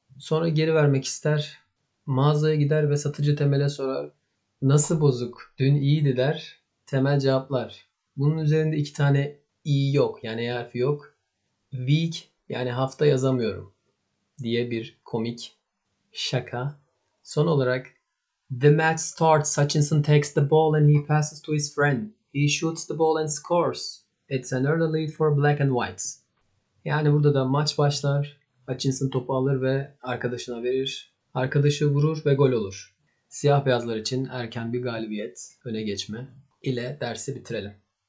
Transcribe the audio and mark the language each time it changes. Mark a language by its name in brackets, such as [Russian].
[Turkish] Sonra geri vermek ister. Mağazaya gider ve satıcı Temel'e sorar. Nasıl bozuk? Dün iyiydi der. Temel cevaplar. Bunun üzerinde iki tane i yok. Yani harfi yok. Week yani hafta yazamıyorum diye bir komik şaka. Son olarak [English] The match starts. Hutchinson takes the ball and he passes to his friend. He shoots the ball and scores. It's an early lead for black and whites. [Turkish] Yani burada da maç başlar. Hutchinson topu alır ve arkadaşına verir. Arkadaşı vurur ve gol olur. Siyah beyazlar için erken bir galibiyet, öne geçme ile dersi bitirelim.